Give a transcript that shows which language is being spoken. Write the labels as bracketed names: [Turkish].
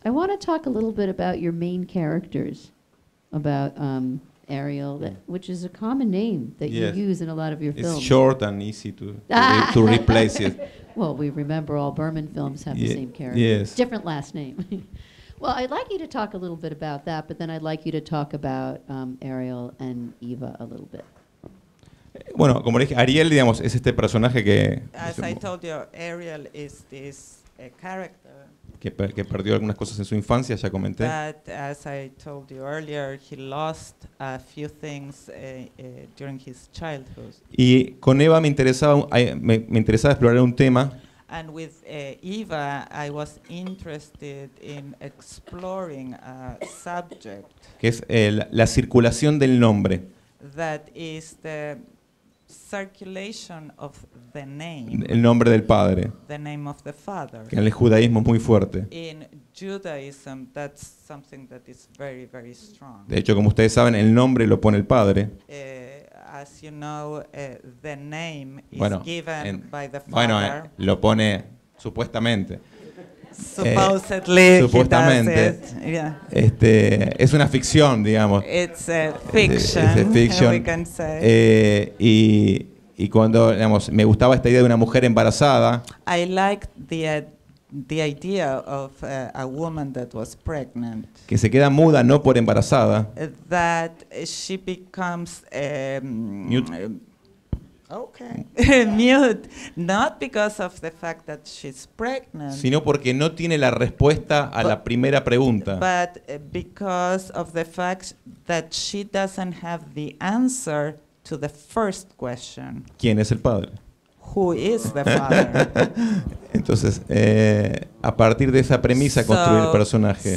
[English] I want to talk a little bit about your main characters, about Ariel, which is a common name that you use in a lot of your films. It's short and easy to replace it. Well, we remember all Burman films have the same character. Yes. Different last name. Well, I'd like you to talk a little bit about that, but then I'd like you to talk about Ariel and Eva a little bit. [Spanish] Bueno, como le dije, Ariel, digamos, es este personaje que... [English] As I told you, Ariel is this character. [Spanish] Que perdió algunas cosas en su infancia, ya comenté. [English] But as I told you earlier, he lost a few things during his childhood. [Spanish] Y con Eva me interesaba explorar un tema. [English] And with Eva, I was interested in exploring a subject. [Spanish] Que es la circulación del nombre. [English] That is the circulation of the name, [Spanish] el nombre del padre, [English] the name of the father, [Spanish] que en el judaísmo es muy fuerte. [English] In Judaism, that's something that is very, very strong. [Spanish] De hecho, como ustedes saben, el nombre lo pone el padre. [English] As you know, the name is given by the father. [Spanish] Bueno, lo pone supuestamente. Supuestamente. Es una ficción, digamos. [English] It's a fiction. It's a fiction. We can say. [Spanish] Y cuando, digamos, me gustaba esta idea de una mujer embarazada. [English] I liked the idea of a woman that was pregnant. [Spanish] Que se queda muda, no por embarazada. [English] That she becomes mute. Okay. Mute, not because of the fact that she's pregnant, [Spanish] sino porque no tiene la respuesta a la primera pregunta. [English] But because of the fact that she doesn't have the answer to the first question. [Spanish] ¿Quién es el padre? [English] Who is the father? [Spanish] Entonces, a partir de esa premisa construir el personaje.